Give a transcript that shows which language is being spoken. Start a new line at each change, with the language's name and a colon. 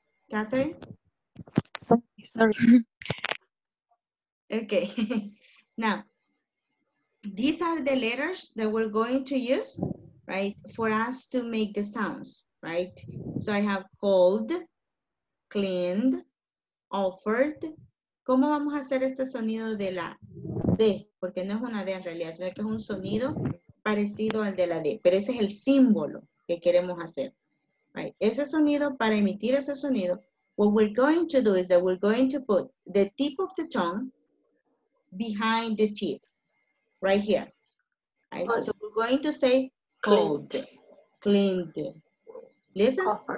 English: Catherine? Sorry. Okay. Now, these are the letters that we're going to use, right, for us to make the sounds, right? So I have called, cleaned, offered,
Spanish: ¿Cómo vamos a hacer este sonido de la D? Porque no es una D en realidad, sino que es un sonido parecido al de la D. Pero ese es el símbolo que queremos hacer.
English: Right. Ese sonido, para emitir ese sonido, what we're going to do is that we're going to put the tip of the tongue behind the teeth. Right here. Right. So we're going to say cold. Cleaned. Listen.